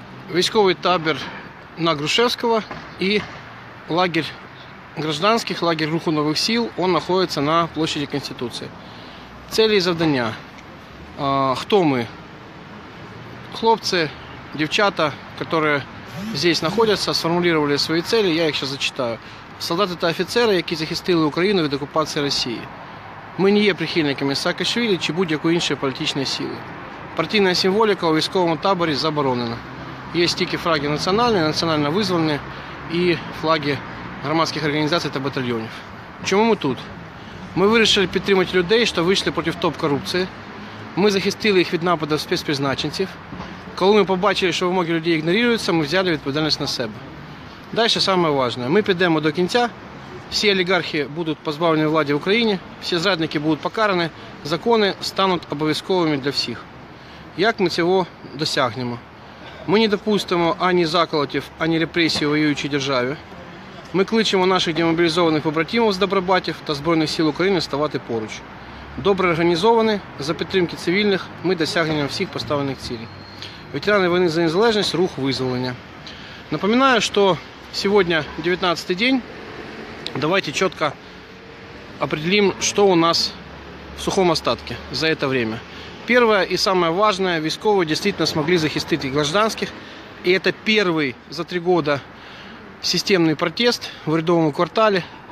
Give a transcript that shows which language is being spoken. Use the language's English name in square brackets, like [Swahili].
[Russian] Войсковый табор на Грушевского и лагерь гражданских, лагерь Руху Новых Сил, он находится на площади Конституции. Цели и задания. Кто мы? Хлопцы, девчата, которые здесь находятся, сформулировали свои цели, я их сейчас зачитаю. Солдаты это офицеры, которые захистили Украину от оккупации России. [Ukrainian] Ми не є прихильниками Саакашвілі чи будь-якої іншої політичної сили. Партійна символіка у військовому таборі заборонена. Є тільки флаги національні, національно визвольні і флаги громадських організацій та батальйонів. Чому ми тут? Ми вирішили підтримати людей, що вийшли проти топ-корупції. Ми захистили їх від нападу спецпризначенців. Коли ми побачили, що вимоги людей ігнорюються, ми взяли відповідальність на себе. Далі найважливіше. Ми підемо до кінця. [Russian] Все олигархи будут позбавлены власти в Украине, все зрадники будут покараны, законы станут обовязковыми для всех. Как мы этого достигнем? Мы не допустим [Ukrainian] ані заколотів, ані [Russian] репрессий в воюющей державе. [Ukrainian] Мы кличемо наших демобилизованных побратимов с добробатів та збройних сил Украины ставати поруч. Добре організовані, за підтримки цивільних, ми досягнемо всіх поставлених цілей. Ветерани войны за незалежність, рух визволення. [Russian] Напоминаю, что сегодня 19-й день. Давайте четко определим, что у нас в сухом остатке за это время. Первое и самое важное, войсковые действительно смогли захистить и гражданских. И это первый за 3 года системный протест в рядовом квартале.